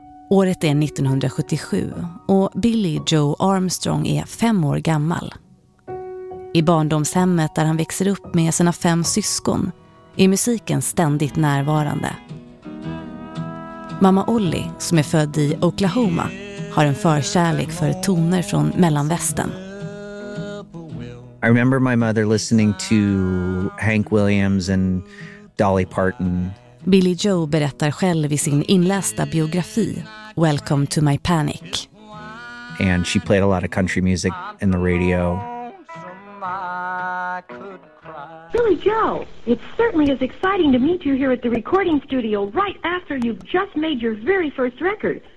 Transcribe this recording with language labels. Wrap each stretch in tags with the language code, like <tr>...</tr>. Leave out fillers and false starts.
<sv>Året är 1977 och Billy Joe Armstrong är 5 år gammal. I barndomshemmet där han växer upp med sina 5 syskon är musiken ständigt närvarande. Mamma Ollie, som är född i Oklahoma, har en förkärlek för toner från Mellanvästern.</sv> <en>I remember my mother listening to Hank Williams and Dolly Parton.</en> <sv>Billy Joe berättar själv i sin inlästa biografi Welcome to My Panic.</sv> <en>And she played a lot of country music in the radio. Billy Joe, it certainly is exciting to meet you here at the recording studio right after you've just made your very first record.</en>